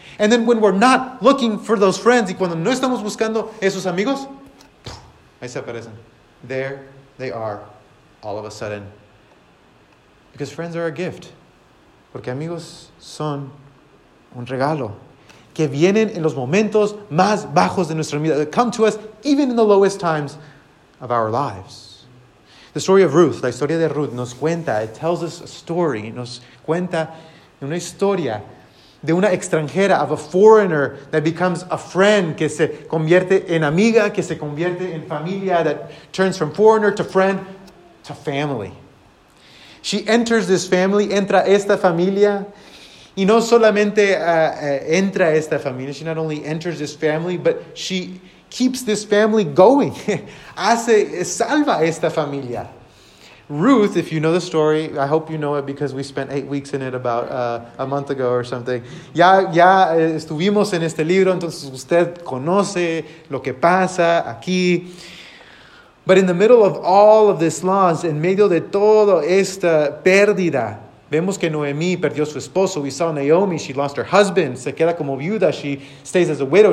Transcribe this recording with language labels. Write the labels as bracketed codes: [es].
[en] And then when we're not looking for those friends, [es] y cuando no estamos buscando esos amigos, ahí se aparecen. [en] There they are, all of a sudden. Because friends are a gift. [es] Porque amigos son un regalo. Que vienen en los momentos más bajos de nuestra vida. [en] That come to us even in the lowest times of our lives. The story of Ruth, [es] la historia de Ruth, nos cuenta, [en] it tells us a story, [es] nos cuenta una historia de una extranjera, [en] of a foreigner that becomes a friend, [es] que se convierte en amiga, que se convierte en familia, [en] that turns from foreigner to friend to family. She enters this family, [es] entra esta familia, y no solamente entra esta familia, [en] she not only enters this family, but she keeps this family going. [es] Hace, salva esta familia. [en] Ruth, if you know the story, I hope you know it because we spent 8 weeks in it about a month ago or something. [es] Ya estuvimos en este libro, entonces usted conoce lo que pasa aquí. [en] But in the middle of all of this loss, [es] en medio de toda esta pérdida, vemos que Noemi perdió su esposo. [en] We saw Naomi, she lost her husband. [es] Se queda como viuda, [en] she stays as a widow.